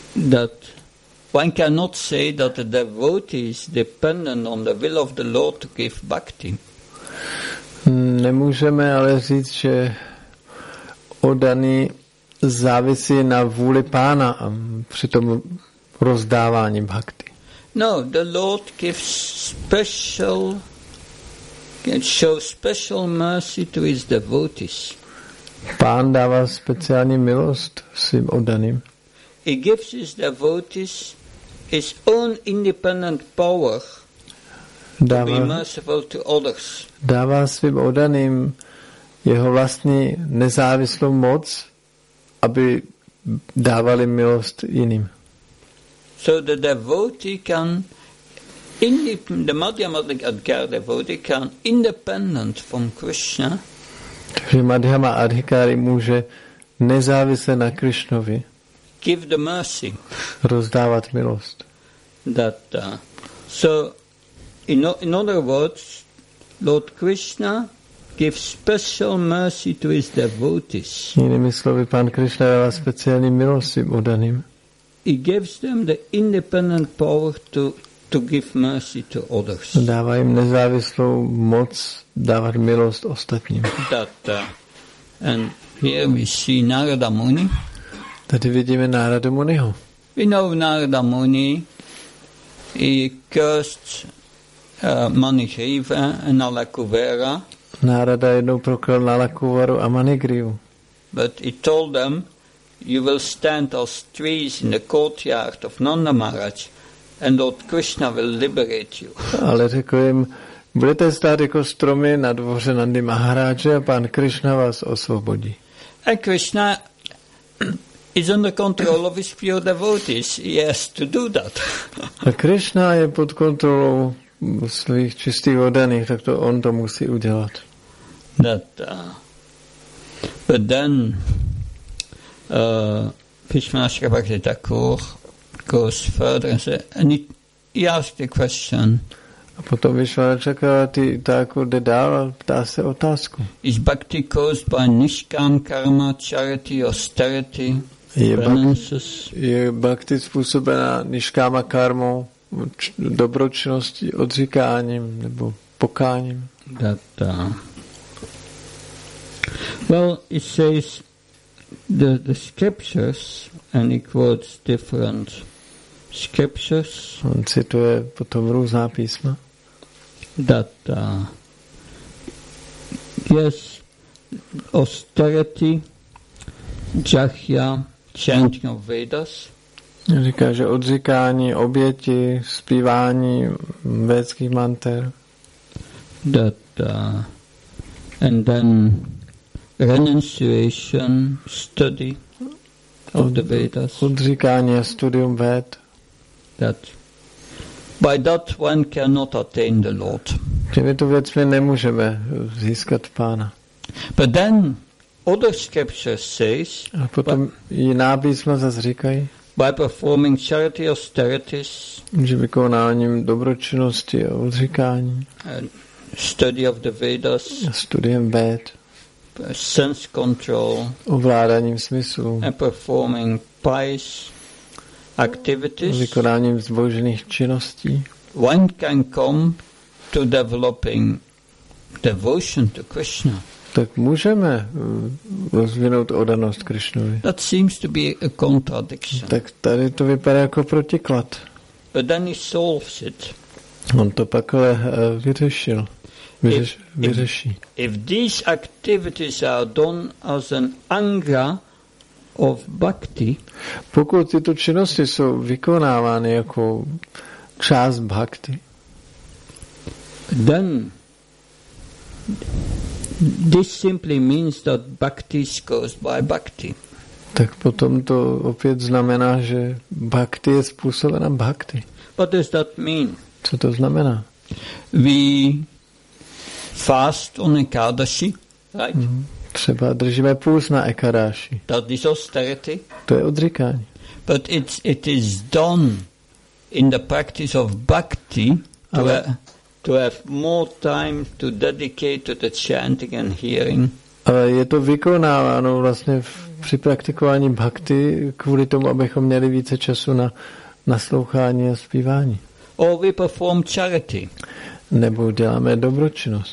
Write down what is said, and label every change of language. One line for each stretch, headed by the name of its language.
English: that one cannot say that the devotee is dependent on the will of the Lord to give bhakti.
Czech: Nemůžeme ale říct, že oddaný závisí na vůli pána při tom rozdávání bhakti.
English: No, the Lord gives special shows special mercy to his devotees.
Czech: Pán dává speciální milost svým oddaným.
English: He gives his devotees his own independent power
Czech: dává,
English: to be merciful to others.
Czech: Dává svým oddaným jeho vlastní nezávislou moc, aby dávali milost jiným.
English: So the devotee can the Madhyamadhikar devotee can independent from Krishna.
Czech: Takže Madhyama Adhikari může nezávisle na Krishnovi
English: give the mercy.
Czech: Rozdávat milost.
English: That, so in other words, Lord Krishna gives special mercy to his devotees.
Czech: Jinými slovy, pán Krishna dává speciální milost svým oddaným.
English: He gives them the independent power to give mercy to others.
Czech: Dává jim nezávislou moc dávat milost ostatním.
English: That, and here we see Narada Muni.
Czech: Tady vidíme Narada Muniho.
English: We know Narada Muni, he cursed Manigriva and Nalakuvera.
Czech: Narada jednou proklal Nalakuvaru a Manigrivu.
English: But he told them, you will stand as trees in the courtyard of Nanda Maharaj, and Lord Krishna will liberate you.
Czech: Ale řekl jim, budete stát jako stromy na dvoře Nandy Maharaje a pan Krishna vás osvobodí.
English: And Krishna is under control of his pure devotees. He has to do that.
Czech: A Krishna je pod kontrolou svých čistých oddaných, tak to on to musí udělat.
English: That, but then Vishwanatha Chakravarti Thakur goes further and says, and he asked the question.
Czech: A potom Vishwanatha Chakravarti Thakur jde dál a ptá se otázku.
English: Is bhakti caused by nishkam karma, charity, austerity, penances?
Czech: Je bhakti způsobená nishkama karmou, dobročinnosti, odříkáním nebo pokáním?
English: That, well, it says the scriptures, and he quotes different scriptures.
Czech: On cituje potom různá písma.
English: That, yes, austerity, jahya, chanting of Vedas.
Czech: Říká, že odříkání, oběti, zpívání védských mantr.
English: That, and then renunciation, study of the Vedas.
Czech: Odříkání a studium véd.
English: That, by that one cannot attain the Lord.
Czech: Těmito věcmi nemůžeme získat pána.
English: But then other scriptures says,
Czech: a potom jiná písma zase říkají,
English: by performing charity austerities,
Czech: že vykonáním dobročinnosti a odříkání,
English: study of the Vedas,
Czech: studiem Véd,
English: sense control,
Czech: ovládáním smyslu,
English: and performing pious activities,
Czech: vykonáním zbožných činností,
English: one can come to developing devotion to Krishna.
Czech: Tak můžeme rozvinout oddanost Krišnovi.
English: That seems to be a contradiction.
Czech: Tak tady to vypadá jako protiklad.
English: But then he solves it.
Czech: On to pak ale vyřešil. Vyřeší.
English: If these activities are done as an anga of bhakti,
Czech: pokud tyto činnosti jsou vykonávány jako část bhakti,
English: then this simply means that bhakti is caused by bhakti.
Czech: Tak potom to opět znamená, že bhakti je způsobena bhakti.
English: What does that mean?
Czech: Co to znamená?
English: We fast on Ekadashi, right? Mm-hmm.
Czech: Třeba držíme půst na Ekadashi.
English: That is austerity.
Czech: To je odříkání.
English: But it is done in the practice of bhakti.
Czech: Ale
English: to have more time to dedicate to the chanting and hearing.
Czech: Ale je to vykonáváno vlastně při praktikování bhakti kvůli tomu, abychom měli více času na naslouchání a zpívání.
English: Or we perform charity.
Czech: Nebo děláme dobročinnost.